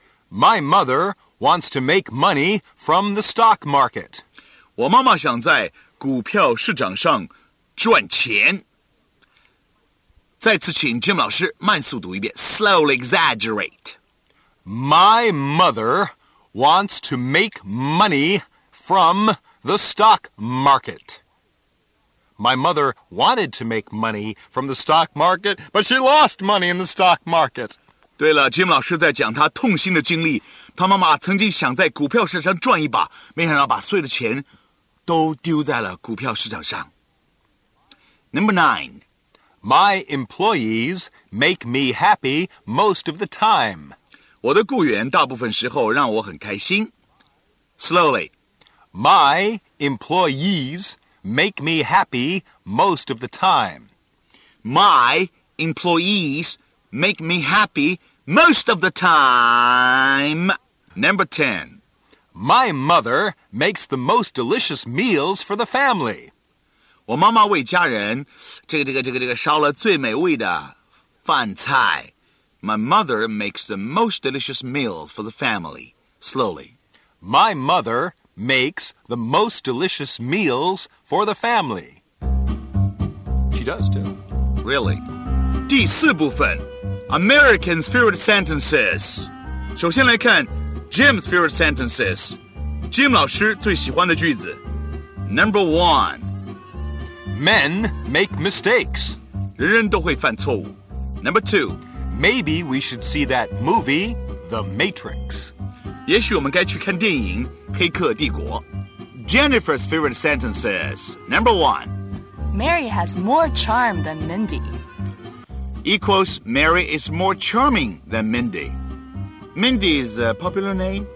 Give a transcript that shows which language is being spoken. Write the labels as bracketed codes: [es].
[en] My mother wants to make money from the stock market. [zh] 我妈妈想在股票市场上赚钱。再次请 Jim 老师慢速读一遍 [en] Slowly exaggerate. My mother wants to make money from the stock market. My mother wanted to make money from the stock market, but she lost money in the stock market. [zh] 对了 ,Jim 老师在讲他痛心的经历。他妈妈曾经想在股票市场赚一把，没想到把所有的钱都丢在了股票市场上。 [en] Number 9. My employees make me happy most of the time. [zh] 我的雇员大部分时候让我很开心。 [en] Slowly. My employees make me happy most of the time. My employees make me happy most of the time. Number 10. My mother makes the most delicious meals for the family. [zh] 我妈妈为家人烧了最美味的饭菜。 [en] My mother makes the most delicious meals for the family. Slowly. My mother makes the most delicious meals for the family. She does too. Really? [zh] 第四部分 [en] American's favorite sentences. [zh] 首先来看 Jim's [en] favorite sentences. [zh] Jim 老师最喜欢的句子 [en] Number 1. Men make mistakes. [zh] 人人都会犯错误。 [en] Number 2. Maybe we should see that movie, The Matrix. [zh] 也许我们该去看电影《黑客帝国》。 [en] Jennifer's favorite sentences. Number 1. Mary has more charm than Mindy. Equals Mary is more charming than Mindy. Mindy is a popular name?